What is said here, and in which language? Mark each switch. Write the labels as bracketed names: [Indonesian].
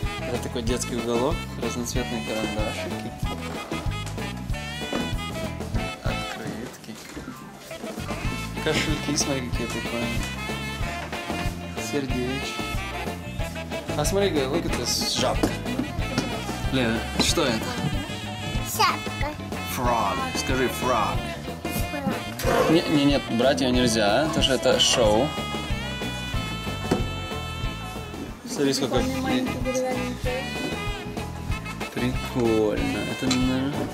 [Russian] Это такой детский уголок, разноцветные карандашики, открытки, кошельки, смотри, какие прикольные, сердечки. А смотри, [English] look at this, [Russian] жабка. Лена, что это? Шапка. [English] Frog, [Russian] скажи [English] frog. Frog. [Russian] Нет, брать ее нельзя, потому что это шоу. Смотри, сколько... Прикольно. Это, наверное...